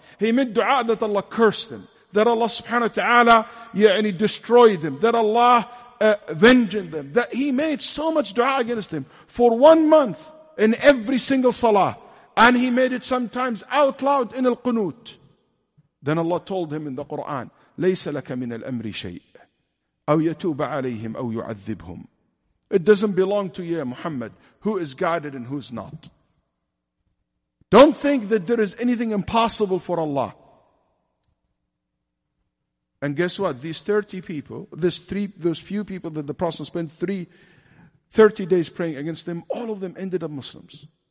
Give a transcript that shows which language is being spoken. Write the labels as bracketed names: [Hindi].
[English] He made dua that Allah cursed them, that Allah subhanahu wa ta'ala destroy them, that Allah avenged them, that he made so much dua against them for 1 month in every single salah. And he made it sometimes out loud in al-qunut. Then Allah told him in the Quran, [Arabic] لَيْسَ لَكَ مِنَ الْأَمْرِ شَيْءٍ أَوْ يَتُوبَ عَلَيْهِمْ أَوْ يُعَذِّبْهُمْ. [English] It doesn't belong to you, Muhammad, who is guided and who's not. Don't think that there is anything impossible for Allah. And guess what? These 30 people, those few people that the Prophet spent 30 days praying against them, all of them ended up Muslims.